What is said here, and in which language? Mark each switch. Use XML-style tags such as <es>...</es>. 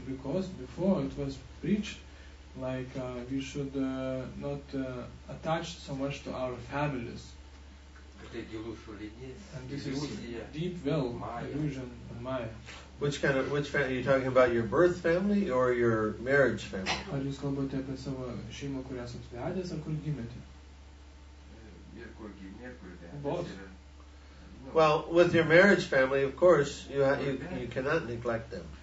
<en>Because before it was preached, like we should not attach so much to our families. And this is deep well, illusion and Maya. Which family are you talking about? Your birth family or your marriage family?</en> <lt>Ar jūs kalbate apie savo šeimą, kurią esate vedęs, ar kur gimėte?</lt> <en>Both. Well, with your marriage family, of course, you cannot neglect them.</en>